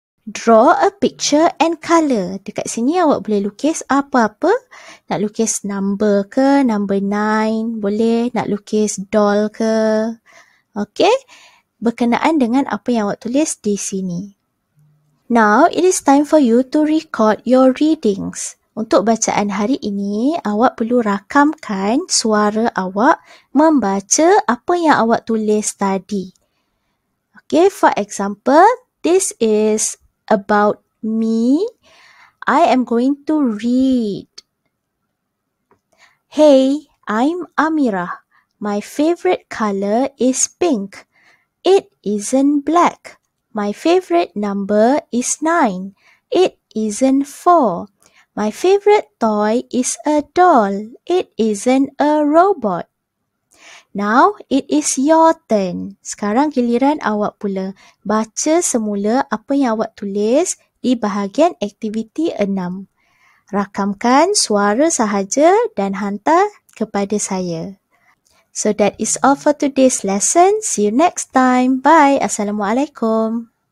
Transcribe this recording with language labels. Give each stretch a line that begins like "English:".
English: Draw a picture and color.
Malay: Dekat sini awak boleh lukis apa-apa. Nak lukis number ke, number 9 boleh. Nak lukis doll ke. Okay. Berkenaan dengan apa yang awak tulis di sini.
English: Now, it is time for you to record your readings.
Malay: Untuk bacaan hari ini, awak perlu rakamkan suara awak membaca apa yang awak tulis tadi.
English: Okay, for example, this is about me. I am going to read. Hey, I'm Amirah. My favorite color is pink. It isn't black. My favorite number is 9. It isn't 4. My favorite toy is a doll. It isn't a robot. Now, it is your turn.
Malay: Sekarang giliran awak pula. Baca semula apa yang awak tulis di bahagian aktiviti 6. Rakamkan suara sahaja dan hantar kepada saya.
English: So that is all for today's lesson. See you next time. Bye. Assalamualaikum.